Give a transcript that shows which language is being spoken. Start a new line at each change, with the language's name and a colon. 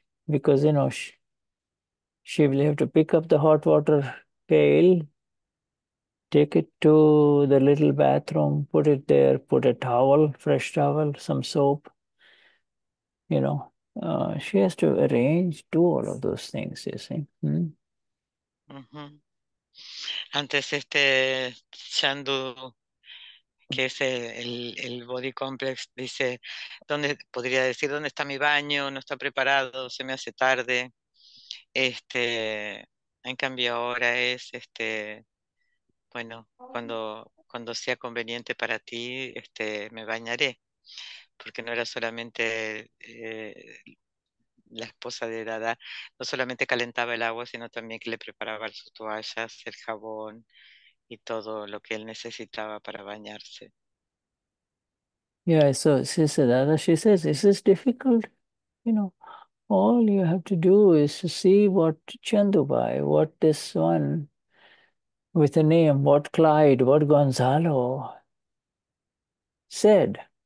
English: Because, you know, she will have to pick up the hot water pail, take it to the little bathroom, put it there, put a towel, fresh towel, some soap. You know, she has to arrange, do all of those things, you see. Mm-hmm.
Spanish: antes este Shandu, que es el body complex, dice, ¿dónde podría decir dónde está mi baño? No está preparado, se me hace tarde. En cambio ahora es bueno, cuando sea conveniente para ti, me bañaré, porque no era solamente la esposa de Dada, no solamente calentaba el agua, sino también que le preparaba sus toallas, el jabón y todo lo que él necesitaba para bañarse.
English: Yeah, so she says, she says, is this difficult? You know, all you have to do is to see what Chandubai, what this one with a name, what Clyde, what Gonzalo said.